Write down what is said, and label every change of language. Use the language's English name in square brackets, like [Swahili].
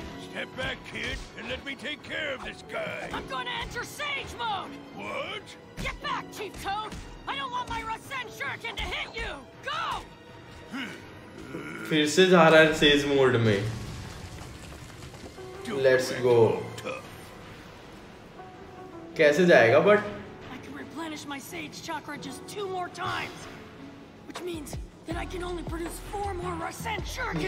[English] Step back, kid, and let me take care of this guy. I'm gonna enter sage mode. What? Get back, Chief Toad. I don't want my Rasen Shuriken to hit you. Go. [Hindi] फिर से जा रहा है sage mode में। [English] Let's go. [Hindi] कैसे जाएगा? [English] But replenish my sage chakra just 2 more times. Which means that I can only produce 4 more Rasen Shuriken.